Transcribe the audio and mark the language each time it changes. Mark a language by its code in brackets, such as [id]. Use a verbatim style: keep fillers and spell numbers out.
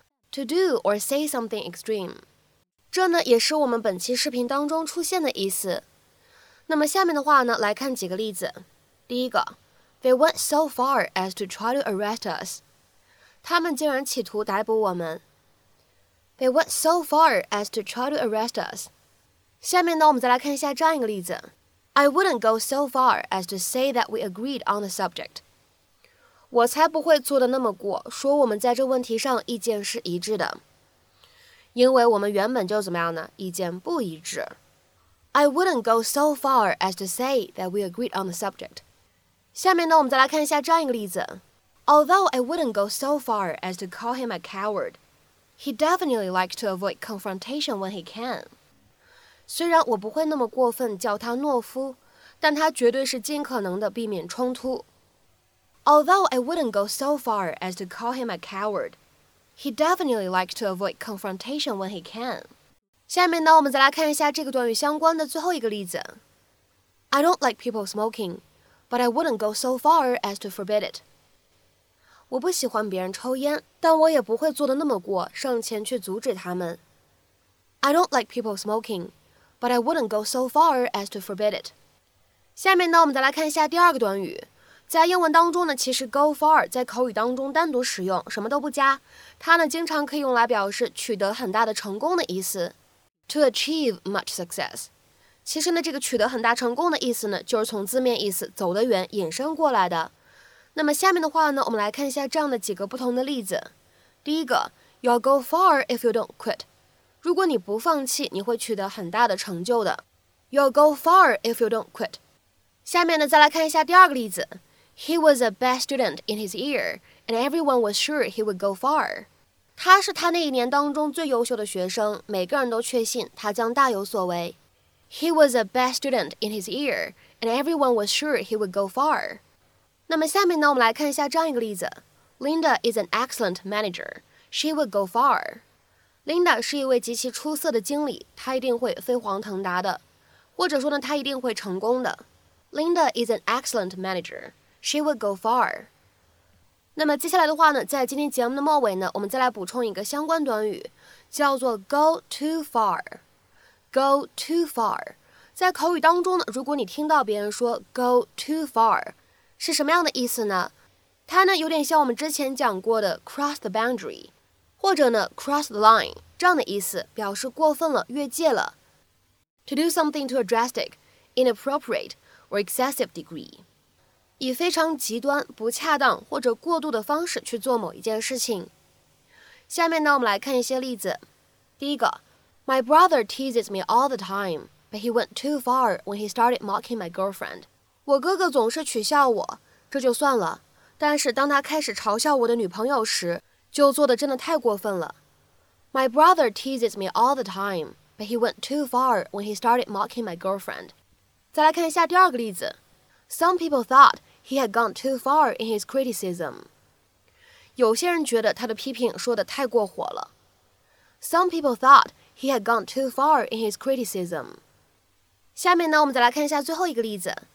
[en] To do or say something extreme， [zh] 这呢也是我们本期视频当中出现的意思。那么下面的话呢，来看几个例子。第一个 [en] ，They went so far as to try to arrest us。 [zh] 他们竟然企图逮捕我们。 [en] They went so far as to try to arrest us。 [zh] 下面呢，我们再来看一下这样一个例子。 [en] I wouldn't go so far as to say that we agreed on the subject. [zh] 我才不会做得那么过，说我们在这问题上意见是一致的，因为我们原本就怎么样呢？意见不一致。 [en] I wouldn't go so far as to say that we agreed on the subject. [zh] 下面呢，我们再来看一下这样一个例子。 [en] Although I wouldn't go so far as to call him a coward, he definitely likes to avoid confrontation when he can. [zh] 虽然我不会那么过分叫他懦夫，但他绝对是尽可能的避免冲突。 [en] Although I wouldn't go so far as to call him a coward, he definitely likes to avoid confrontation when he can. [zh] 下面呢，我们再来看一下这个短语相关的最后一个例子。 [en] I don't like people smoking, but I wouldn't go so far as to forbid it. [zh] 我不喜欢别人抽烟，但我也不会做得那么过，上前去阻止他们。 [en] I don't like people smoking. But I wouldn't go so far as to forbid it. [zh] 下面呢，我们再来看一下第二个短语。在英文当中呢，其实 go far 在口语当中单独使用，什么都不加。它呢，经常可以用来表示取得很大的成功的意思。 [en] To achieve much success. [zh] 其实呢，这个取得很大成功的意思呢，就是从字面意思走得远引申过来的。那么下面的话呢，我们来看一下这样的几个不同的例子。第一个 [en] ，You'll go far if you don't quit。 [zh] 如果你不放弃，你会取得很大的成就的。 [en] You'll go far if you don't quit。 [zh] 下面呢，再来看一下第二个例子。 [en] He was a bad student in his year, and everyone was sure he would go far。 [zh] 他是他那一年当中最优秀的学生，每个人都确信他将大有所为。 [en] He was a bad student in his year, and everyone was sure he would go far。 [zh] 那么下面呢，我们来看一下这样一个例子。 [en] Linda is an excellent manager. She would go far. [zh] Linda 是一位极其出色的经理，她一定会飞黄腾达的，或者说呢，她一定会成功的。 [en] Linda is an excellent manager. She would go far. [zh] 那么接下来的话呢，在今天节目的末尾呢，我们再来补充一个相关短语，叫做 go too far。 Go too far。 在口语当中呢，如果你听到别人说 go too far， 是什么样的意思呢？它呢有点像我们之前讲过的 cross the boundary， 或者呢 cross the line 这样的意思，表示过分了、越界了。 [en] To do something to a drastic, inappropriate or excessive degree， [zh] 以非常极端、不恰当或者过度的方式去做某一件事情。下面呢，我们来看一些例子。第一个 [en] ，My brother teases me all the time, but he went too far when he started mocking my girlfriend。 [zh] 我哥哥总是取笑我，这就算了。但是当他开始嘲笑我的女朋友时，就做得真的太过分了。 [en] My brother teases me all the time, but he went too far when he started mocking my girlfriend. [zh] 再来看一下第二个例子。 [en] Some people thought he had gone too far in his criticism. [zh] 有些人觉得他的批评说得太过火了。 [en] Some people thought he had gone too far in his criticism. [zh] 下面呢，我们再来看一下最后一个例子。